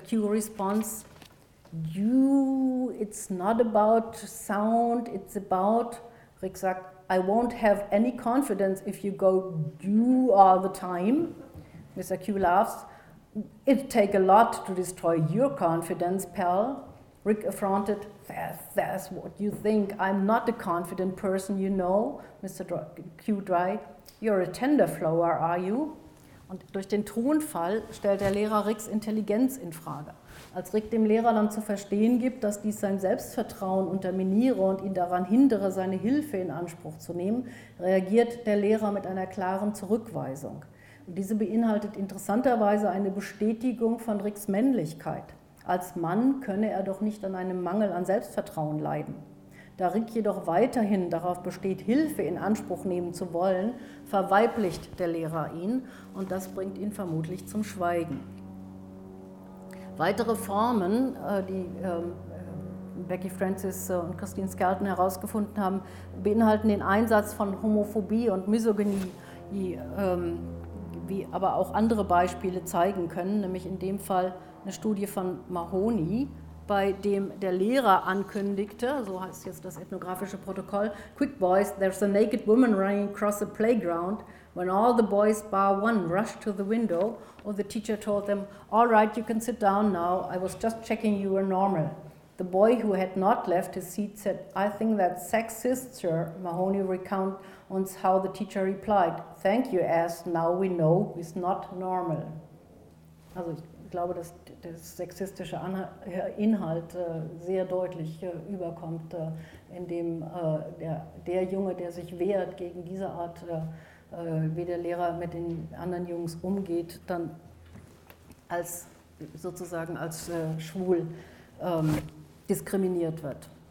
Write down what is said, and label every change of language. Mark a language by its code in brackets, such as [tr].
[en] Q responds, "You, it's not about sound, it's about," [de] Rick sagt, [en] "I won't have any confidence if you go you all the time." Mr. Q laughs, "It take a lot to destroy your confidence, pal." Rick affronted, that's what you think. I'm not a confident person, you know, Mr. Q dry. You're a tenderflower, are you?" [de] Und durch den Tonfall stellt der Lehrer Ricks Intelligenz in Frage. Als Rick dem Lehrer dann zu verstehen gibt, dass dies sein Selbstvertrauen unterminiere und ihn daran hindere, seine Hilfe in Anspruch zu nehmen, reagiert der Lehrer mit einer klaren Zurückweisung. Und diese beinhaltet interessanterweise eine Bestätigung von Ricks Männlichkeit. Als Mann könne er doch nicht an einem Mangel an Selbstvertrauen leiden. Da Rick jedoch weiterhin darauf besteht, Hilfe in Anspruch nehmen zu wollen, verweiblicht der Lehrer ihn und das bringt ihn vermutlich zum Schweigen. Weitere Formen, die Becky Francis und Christine Skelton herausgefunden haben, beinhalten den Einsatz von Homophobie und Misogynie, wie aber auch andere Beispiele zeigen können, nämlich in dem Fall eine Studie von Mahoney, bei dem der Lehrer ankündigte, so heißt jetzt das ethnografische Protokoll, [en] "Quick boys, there's a naked woman running across the playground. When all the boys bar one rushed to the window, or the teacher told them, 'All right, you can sit down now. I was just checking you were normal.' The boy who had not left his seat said, 'I think that's sexist, sir.' Mahoney recounts how the teacher replied, 'Thank you, ass. Now we know it's not normal.'" [de] Also ich glaube, dass der sexistische Inhalt sehr deutlich überkommt, indem der Junge, der sich wehrt gegen diese Art, wie der Lehrer mit den anderen Jungs umgeht, dann als sozusagen als schwul diskriminiert wird.